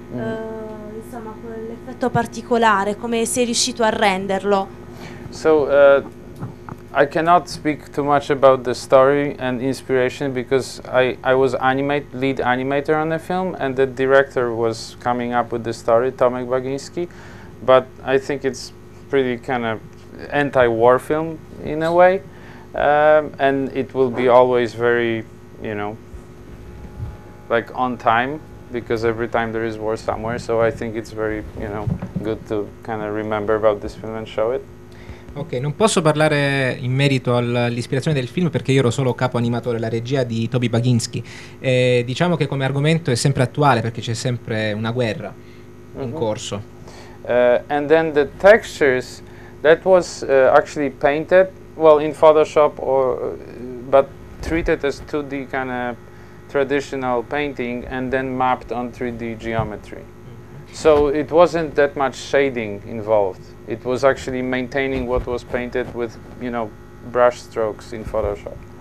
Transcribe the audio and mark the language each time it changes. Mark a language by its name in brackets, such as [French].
[Italian] Insomma, quell'effetto particolare, come sei riuscito a renderlo? [English] So I cannot speak too much about the story and inspiration because I was lead animator on the film and the director was coming up with the story, Tomek Baginski. But I think it's pretty kind of anti-war film in a way, and it will be always very, you know, like on time. Because every time there is war somewhere, so I think it's very, you know, good to kind of remember about this film and show it. [Italian] Ok, non posso parlare in merito all'ispirazione del film perché io ero solo capo animatore della regia di Toby Baginski. Diciamo che come argomento è sempre attuale perché c'è sempre una guerra in mm-hmm. corso. [English] And then the textures that was actually painted, well, in Photoshop or but treated as 2D kind of traditional painting and then mapped on 3D geometry. So it wasn't that much shading involved. It was actually maintaining what was painted with, you know, brush strokes in Photoshop.